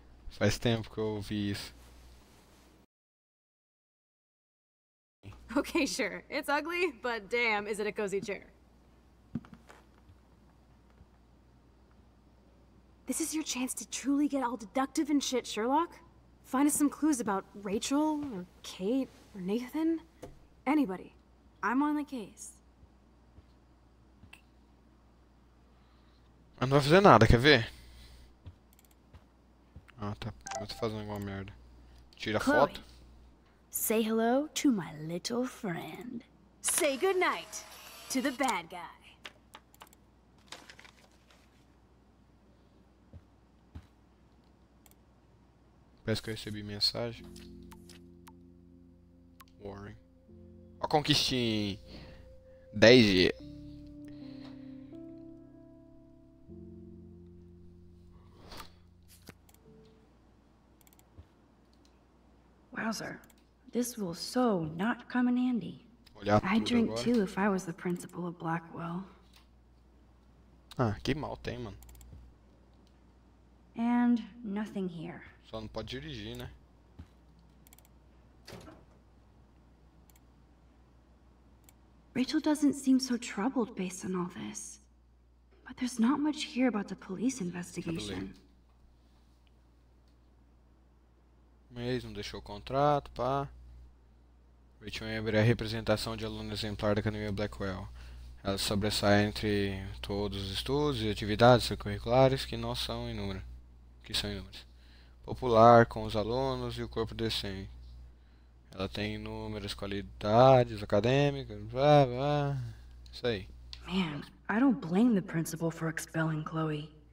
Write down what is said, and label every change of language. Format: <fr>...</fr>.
<pt>Faz tempo que eu ouvi isso.</pt> <en>Okay, sure. It's ugly, but damn, is it a cozy chair. This is your chance to truly get all deductive and shit, Sherlock. Find us some clues about Rachel, or Kate, or Nathan. Anybody. I'm on the case.</en> <pt>Eu não vou fazer nada, quer ver? Ah, tá. Eu tô fazendo alguma merda. Tira a foto.</pt> <en>Say hello to my little friend. Say goodnight to the bad guy.</en> <pt>Parece que eu recebi mensagem. Warren. A conquista em 10 dias.</pt> <en>Wowzer, this will so not come in handy.</en> <pt>Olhar tudo.</pt> <en>I'd drink</en> <pt>agora.</pt> <en>Too if I was the principal of Blackwell.</en> <pt>Ah, que mal tem, mano.</pt> <en>And nothing here.</en> <pt>Só não pode dirigir, né?</pt> <en>Rachel doesn't seem so troubled based on all this. But there's not much here about the police investigation.</en> <pt>Mas não deixou o contrato, pá. Rachel Amber é a representação de aluno exemplar da Academia Blackwell. Ela sobressai entre todos os estudos e atividades extracurriculares que não são inúmeras. Que são inúmeras. Popular com os alunos e o corpo decente. Ela tem inúmeras qualidades acadêmicas, blá blá. Isso aí.</pt> <en>Man, I don't blame the principal for expelling Chloe.</en>